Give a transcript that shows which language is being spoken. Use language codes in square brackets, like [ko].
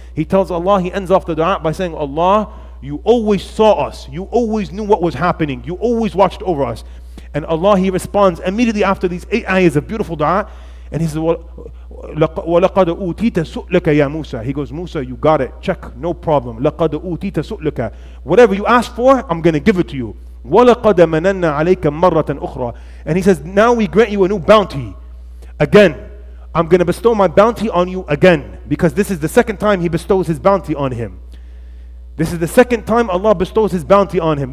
[en] He tells Allah, he ends off the dua by saying, Allah, you always saw us. You always knew what was happening. You always watched over us. And Allah, he responds immediately after these eight ayahs of beautiful dua. And he says, [ar] وَلَقَدْ أُوْتِيْتَ سُؤْلَكَ يَا مُوسَى. [en] He goes, Musa, you got it. Check, no problem. [ar] لَقَدْ أُوْتِيْتَ سُؤْلَكَ. [en] Whatever you ask for, I'm going to give it to you. [ar] وَلَقَدْ مَنَنَّا عَلَيْكَ مَرَّةً أُخْرَى. [en] And he says, now we grant you a new bounty. Again, I'm going to bestow my bounty on you again. Because this is the second time he bestows his bounty on him. This is the second time Allah bestows his bounty on him.